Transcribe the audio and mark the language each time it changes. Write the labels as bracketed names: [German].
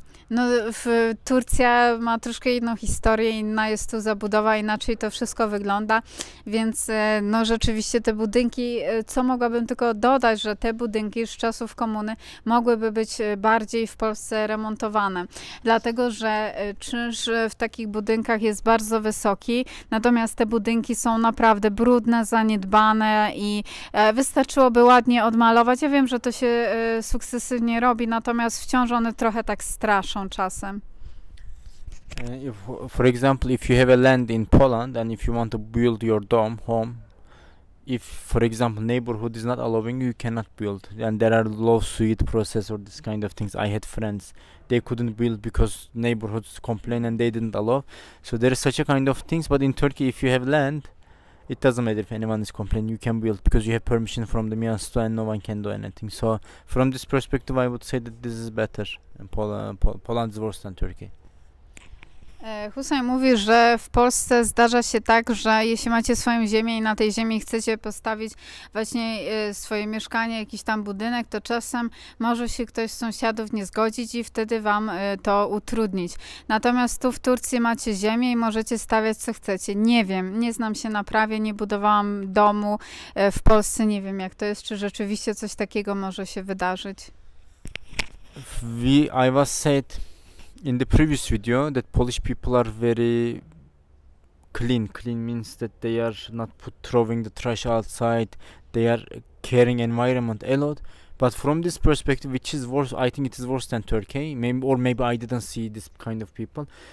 [Polish] No, Turcja ma troszkę inną historię, inna jest tu zabudowa, inaczej to wszystko wygląda, więc no rzeczywiście te budynki, co mogłabym tylko dodać, że te budynki z czasów komuny mogłyby być bardziej w Polsce remontowane, dlatego że czynsz w takich budynkach jest bardzo wysoki, natomiast te budynki są naprawdę brudne, zaniedbane i wystarczyłoby ładnie odmalować. Ja wiem, że to się sukcesywnie robi, natomiast wciąż one trochę tak straszne. [English] If, for example, if you have a land in Poland and if you want to build your dome home, if for example neighborhood is not allowing you, you cannot build, and there are lawsuit process or this kind of things. I had friends, they couldn't build because neighborhoods complained and they didn't allow. So there is such a kind of things. But in Turkey, if you have land, it doesn't matter if anyone is complaining, you can build because you have permission from the miasto and no one can do anything. So from this perspective, I would say that this is better. Poland is worse than Turkey. [Polish] Husajn mówi, że w Polsce zdarza się tak, że jeśli macie swoją ziemię i na tej ziemi chcecie postawić właśnie swoje mieszkanie, jakiś tam budynek, to czasem może się ktoś z sąsiadów nie zgodzić i wtedy wam to utrudnić. Natomiast tu w Turcji macie ziemię i możecie stawiać co chcecie. Nie wiem, nie znam się na prawie, nie budowałam domu w Polsce, nie wiem jak to jest, czy rzeczywiście coś takiego może się wydarzyć. [English] I was said in the previous video that Polish people are very clean. Clean means that they are not throwing the trash outside, they are caring environment a lot. But from this perspective, which is worse, I think it is worse than Turkey, maybe, or maybe I didn't see this kind of people.